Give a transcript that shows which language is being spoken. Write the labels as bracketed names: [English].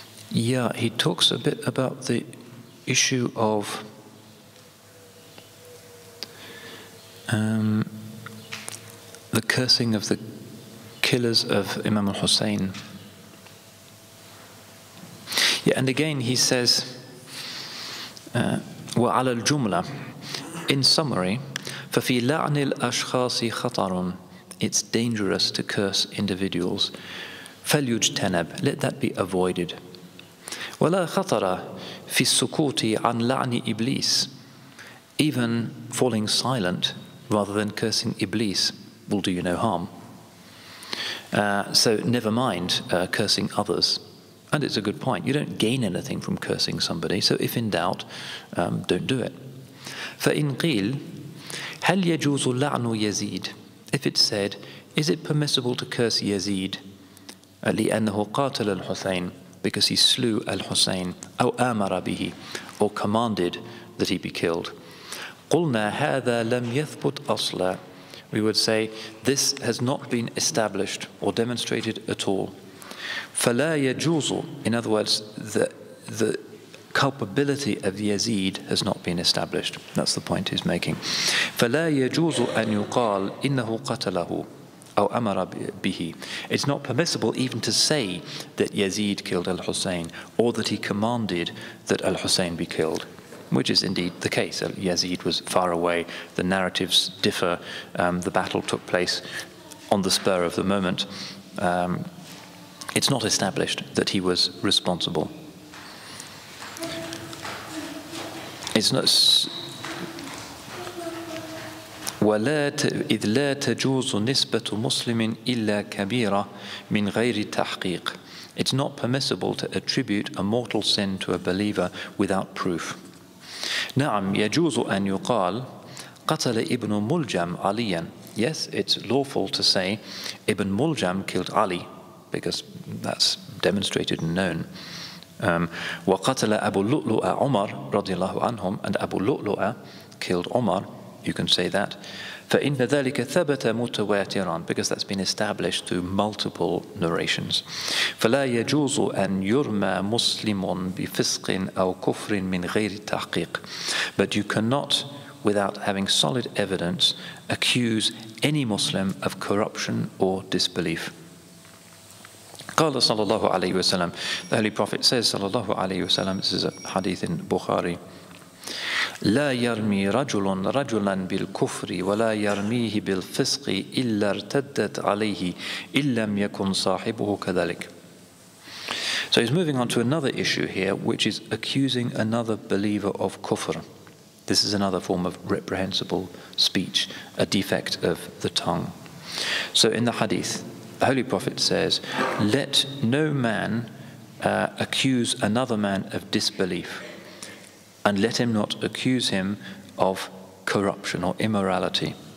[English] Yeah, he talks a bit about the issue of the cursing of the killers of Imam al-Hussein. Yeah, and again he says, [Arabic] وَعَلَى الْجُمْلَةِ. [English] In summary, [Arabic] فَفِي لَعْنِ الْأَشْخَاصِ خَطَرٌ. [English] It's dangerous to curse individuals. [Arabic] فَلْيُجْتَنَبْ. [English] Let that be avoided. [Arabic] وَلَا خَطَرَ فِي السُّكُوتِ عَنْ لَعْنِ إِبْلِيسِ. [English] Even falling silent rather than cursing Iblis will do you no harm. So never mind cursing others. And it's a good point. You don't gain anything from cursing somebody. So if in doubt, don't do it. [Arabic] فَإِنْ قِيلْ هَلْ يَجُوزُ لَعْنُ يَزِيدِ. [English] If it's said, is it permissible to curse Yazid? [Arabic] لِأَنَّهُ قَاتَلَ الْحُسَيْنِ. [English] Because he slew al-Hussein, [Arabic] أو أمر به, [English] or commanded that he be killed. [Arabic] قلنا هذا لم يثبت أصلا. [English] We would say, this has not been established or demonstrated at all. [Arabic] فلا يجوز. [English] In other words, the culpability of Yazid has not been established. That's the point he's making. [Arabic] فلا يجوز أن يقال إنه قتله. أو أمر به. [English] It's not permissible even to say that Yazid killed al-Hussein, or that he commanded that al-Hussein be killed. Which is indeed the case. Yazid was far away. The narratives differ. The battle took place on the spur of the moment. It's not established that he was responsible. It's not. [Arabic] إذ لا تجوز نسبة مسلم إلا كبيرة من غير تحقيق. [English] It's not permissible to attribute a mortal sin to a believer without proof. [Arabic] نعم يجوز أن يقال قتل ابن ملجم عليا. [English] Yes, it's lawful to say Ibn Muljam killed Ali, because that's demonstrated and known. [Arabic] وقتل أبو اللؤلؤ عمر رضي الله عنهم, [English] and Abu Lu'lu'a killed Umar. You can say that. [Arabic] فَإِنَّ ذَلِكَ ثَبَتَ مُتَوَاتِرًا, [English] because that's been established through multiple narrations. [Arabic] فَلَا يَجُوزُ أَن يُرْمَى مُسْلِمٌ بِفِسْقٍ أَوْ كُفْرٍ مِنْ غَيْرِ تَحْقِيقٍ. [English] But you cannot, without having solid evidence, accuse any Muslim of corruption or disbelief. [Arabic] قَالَ صَلَى اللَّهُ عَلَيْهِ وَسَلَمَ, [English] the Holy Prophet says, صَلَى اللَّهُ عَلَيْهِ وَسَلَمَ, this is a hadith in Bukhari, [Arabic] لا يرمي رجل رجلا بالكفر ولا يرميه بالفسق إلا ارتدت عليه إن لم يكن صاحبه كذلك. [English] So he's moving on to another issue here, which is accusing another believer of kufr. This is another form of reprehensible speech, a defect of the tongue. So in the hadith, the Holy Prophet says, let no man accuse another man of disbelief, and let him not accuse him of corruption or immorality.